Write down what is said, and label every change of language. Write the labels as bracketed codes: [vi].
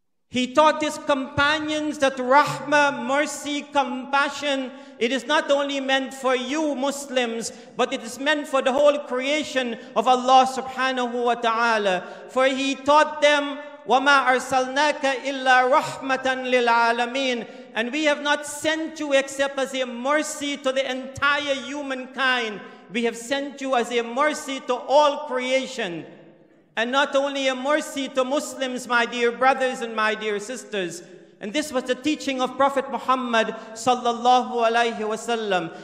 [en] He taught his companions that rahmah, mercy, compassion, it is not only meant for you Muslims, but it is meant for the whole creation of Allah subhanahu wa ta'ala. [ar] For he taught them, وَمَا أَرْسَلْنَاكَ إِلَّا رَحْمَةً لِلْعَالَمِينَ. [en] And we have not sent you except as a mercy to the entire humankind. We have sent you as a mercy to all creation. And not only a mercy to Muslims, my dear brothers and my dear sisters. And this was the teaching of Prophet Muhammad sallallahu alaihi wasallam.